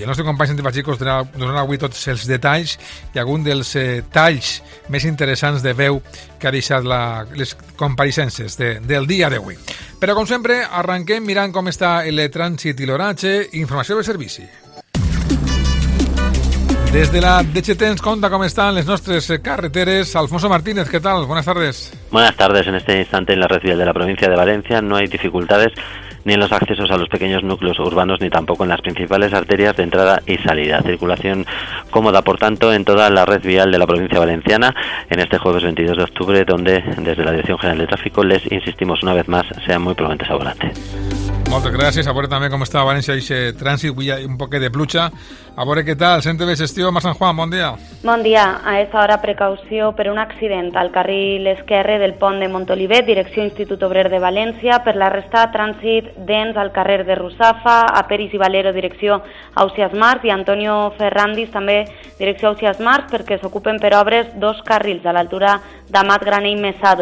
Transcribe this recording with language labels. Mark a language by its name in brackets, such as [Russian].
[Catalan] El nostre company Santi Pacheco donarà avui tots els detalls i algun dels talls més interessants de veu que ha deixat les compareixences del dia d'avui. Però com sempre, arrenquem mirant com està el trànsit i l'horatge. Informació del servici. Des de la DGT ens conta com estan les nostres carreteres. Alfonso Martínez, què tal? [Spanish] Buenas tardes. Buenas tardes. En este instante en la red vial de la provincia de València no hay dificultades ni en los accesos a los pequeños núcleos urbanos ni tampoco en las principales arterias de entrada y salida. Circulación cómoda, por tanto, en toda la red vial de la provincia valenciana en este jueves 22 de octubre, donde desde la Dirección General de Tráfico les insistimos una vez más, sean muy prudentes a volante. [Catalan] Moltes gràcies. A veure també com està València i trànsit, avui un poquet de pluja. A veure què tal, sent bé gestió, Mar Sant Juan, bon dia. Bon dia. A esta hora precaució per un accident al carril esquerre del pont de Montolivet, direcció Institut Obrer de València. Per la resta, trànsit dens al carrer de Russafa, a Peris i Valero, direcció Ausias Mars, i Antonio Ferrandis, també direcció Ausias Mars, perquè s'ocupen per obres dos carrils a l'altura d'Amat Graner i Mesado.